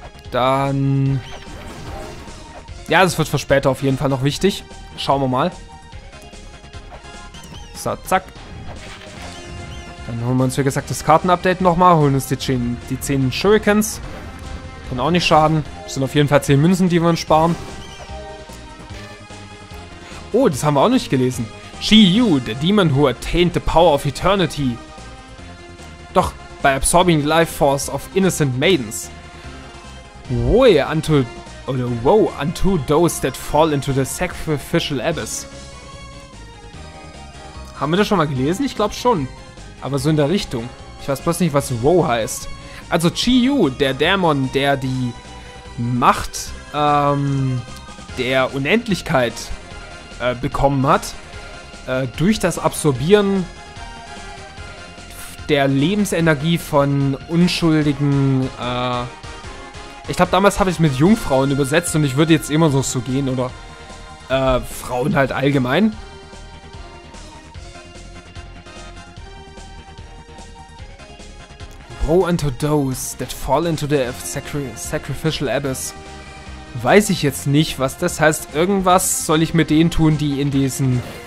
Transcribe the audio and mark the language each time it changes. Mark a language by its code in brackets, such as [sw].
[de] Dann... Ja, das wird für später auf jeden Fall noch wichtig. Schauen wir mal. So, zack. Dann holen wir uns, wie gesagt, das Kartenupdate nochmal, holen uns die 10 Shurikens. Kann auch nicht schaden. Das sind auf jeden Fall 10 Münzen, die wir uns sparen. Oh, das haben wir auch nicht gelesen. [en] Shiyu, the demon who attained the power of eternity. Doch, by absorbing the life force of innocent maidens. Woe unto those that fall into the sacrificial abyss. [de] Haben wir das schon mal gelesen? Ich glaube schon. Aber so in der Richtung. Ich weiß bloß nicht, was Woe heißt. Also Chiyu, der Dämon, der die Macht der Unendlichkeit bekommen hat, durch das Absorbieren der Lebensenergie von unschuldigen... ich glaube, damals habe ich es mit Jungfrauen übersetzt und ich würde jetzt immer so gehen, oder Frauen halt allgemein. [en] Oh, unto those that fall into the sacrificial abyss. [de] Weiß ich jetzt nicht, was das heißt. Irgendwas soll ich mit denen tun, die in diesen...